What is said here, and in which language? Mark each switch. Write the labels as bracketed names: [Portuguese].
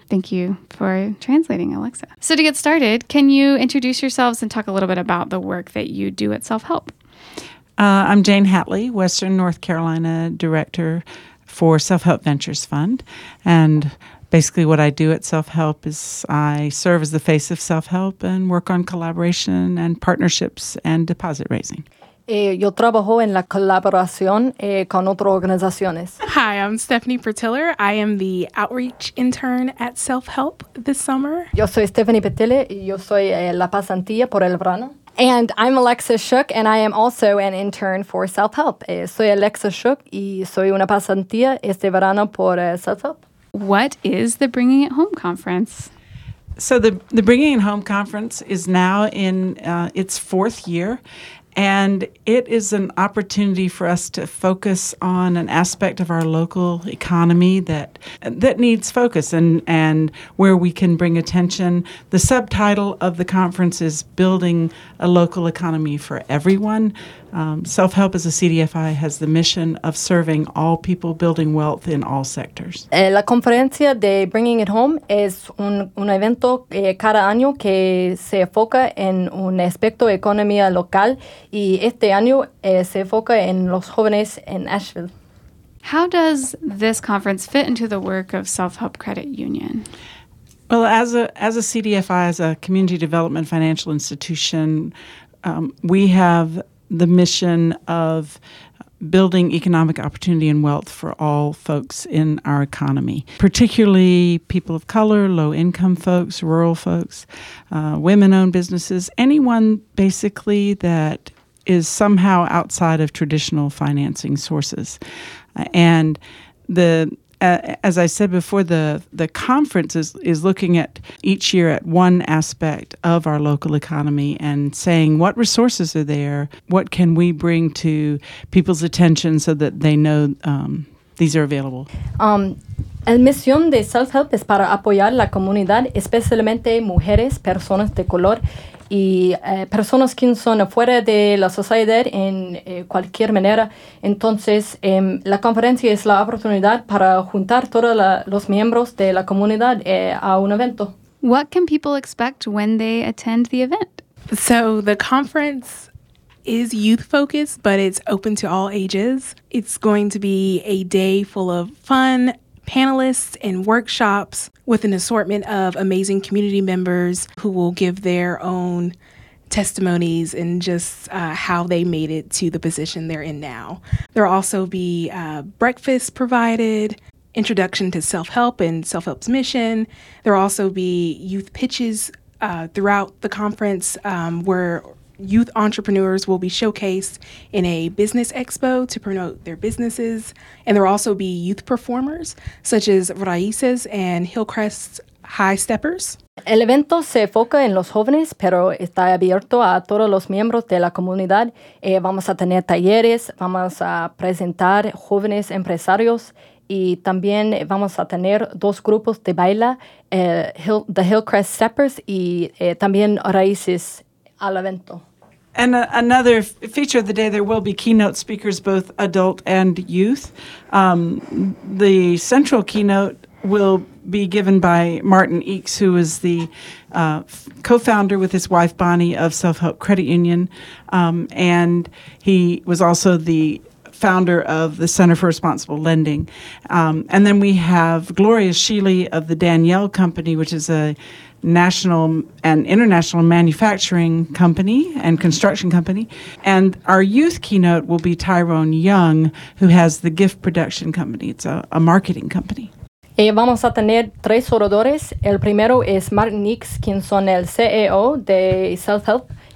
[English] Thank you for translating, Alexa. So to get started, can you introduce yourselves and talk a little bit about the work that you do at Self Help? I'm Jane Hatley, Western North Carolina Director for Self Help Ventures Fund. And basically what I do at Self Help is I serve as the face of Self Help and work on collaboration and partnerships and deposit raising. [Spanish] Yo trabajo en la colaboración con otras organizaciones. [English] Hi, I'm Stephanie Pertiller. I am the outreach intern at Self-Help this summer. [Spanish] Yo soy Stephanie Pertiller. Yo soy la pasantía por el verano. [English] And I'm Alexa Shook, and I am also an intern for Self-Help. [Spanish] Soy Alexa Shook, y soy una pasantía este verano por Self-Help. [English] What is the Bringing It Home Conference? So the Bringing It Home Conference is now in its fourth year. And it is an opportunity for us to focus on an aspect of our local economy that needs focus and where we can bring attention. The subtitle of the conference is Building a Local Economy for Everyone. Self-Help as a CDFI has the mission of serving all people, building wealth in all sectors. [Spanish] La conferencia de Bringing It Home es un evento cada año que se enfoca en un aspecto de economía local, y este año se enfoca en los jóvenes en Asheville. [English] How does this conference fit into the work of Self-Help Credit Union? Well, as a CDFI, as a community development financial institution, we have the mission of building economic opportunity and wealth for all folks in our economy, particularly people of color, low-income folks, rural folks, women-owned businesses, anyone basically that is somehow outside of traditional financing sources. And as I said before, the conference is looking at each year at one aspect of our local economy and saying what resources are there, what can we bring to people's attention so that they know these are available. [Spanish] La misión de Self Help es para apoyar la comunidad, especialmente mujeres, personas de color y personas que son afuera de la sociedad en cualquier manera. Entonces, la conferencia es la oportunidad para juntar todos los miembros de la comunidad a un evento. [English] What can people expect when they attend the event? So, the conference is youth-focused, but it's open to all ages. It's going to be a day full of fun, panelists and workshops with an assortment of amazing community members who will give their own testimonies and just how they made it to the position they're in now. There will also be breakfast provided, introduction to self-help and self-help's mission. There will also be youth pitches throughout the conference where youth entrepreneurs will be showcased in a business expo to promote their businesses. And there will also be youth performers such as Raices and Hillcrest High Steppers. [Spanish] El evento se enfoca en los jóvenes, pero está abierto a todos los miembros de la comunidad. Vamos a tener talleres, vamos a presentar jóvenes empresarios y también vamos a tener dos grupos de baile, the Hillcrest Steppers y también Raices. Al evento. [English] And another feature of the day, there will be keynote speakers, both adult and youth. The central keynote will be given by Martin Eakes, who is the co-founder with his wife Bonnie of Self Help Credit Union. And he was also the founder of the Center for Responsible Lending. And then we have Gloria Sheely of the Danielle Company, which is a national and international manufacturing company and construction company. And our youth keynote will be Tyrone Young, who has the gift production company. It's a marketing company. [Spanish] Vamos a tener tres oradores. El primero es Martin Nix, quien son el CEO de Self Help.